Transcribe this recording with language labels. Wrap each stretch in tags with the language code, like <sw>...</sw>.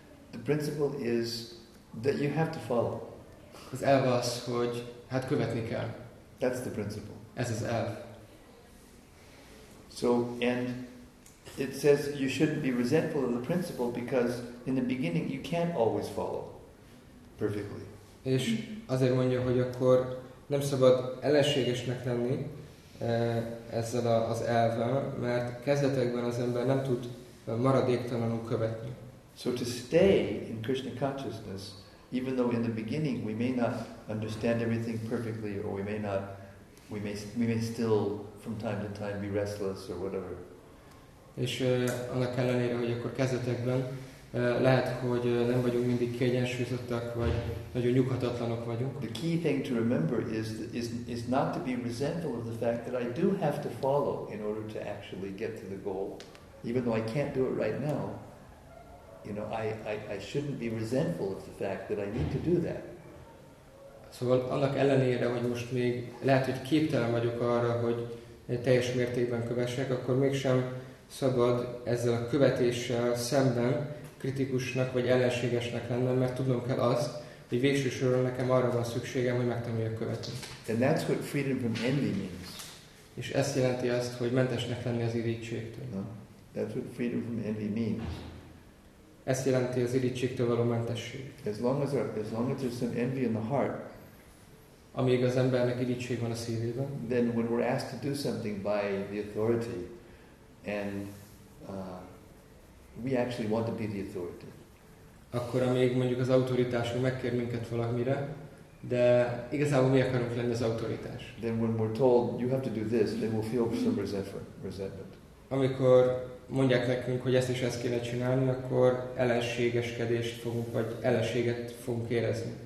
<en>The principle is that you have to follow.</en> <hu>Az elv az, hogy hát követni kell.</hu> <en>That's the principle.</en> <hu>Ez az elv.</hu> <en>So, and it says you shouldn't be resentful of the principle because in the beginning you can't always follow perfectly.</en> <hu>És azért mondja, hogy akkor nem szabad ellenségesnek lenni ezzel az elvvel, mert kezdetekben az ember nem tud maradéktalanul követni.</hu> <en>So to stay in Krishna consciousness, even though in the beginning we may not understand everything perfectly, or we may still from time to time be restless or whatever.</en> <hu>És annak ellenére, hogy akkor kezdetekben lehet, hogy nem vagyunk mindig kiegyensúlyozottak, vagy nagyon nyughatatlanok vagyunk.</hu> <en>The key thing to remember is not to be resentful of the fact that I do have to follow in order to actually get to the goal, even though I can't do it right now. You know, I shouldn't be resentful of the fact that I need to do that.</en> <hu>Szóval annak ellenére, hogy most még lehet, hogy képtelen vagyok arra, hogy teljes mértékben kövessek, akkor mégsem szabad ezzel a követéssel szemben kritikusnak vagy ellenségesnek lennem, mert tudnom kell azt, hogy végső soron nekem arra van szükségem, hogy megtanuljak követni.</hu> <en>And that's what freedom from envy means.</en> <hu>És ezt jelenti azt, hogy mentesnek lenni az irítségtől.</hu> <en>No, that's what freedom from envy means.</en> <hu>Ezt jelenti az irítségtől való mentesség.</hu> <en>As long as there's some envy in the heart,</en> <hu>amíg az embernek irítség van a szívében,</hu> <en>then when we're asked to do something by the authority, and we actually want to be the authority,</en> <hu>akkor amíg mondjuk az autoritás megkér minket valamire, de igazából mi akarunk lenni az autoritás?</hu> <en>Then when we're told you have to do this, then we'll feel some resentment.</en> <hu>Amikor mondják nekünk, hogy ezt is ezt kéne csinálni, akkor ellenségeskedést fogunk, vagy ellenséget fogunk érezni.</hu>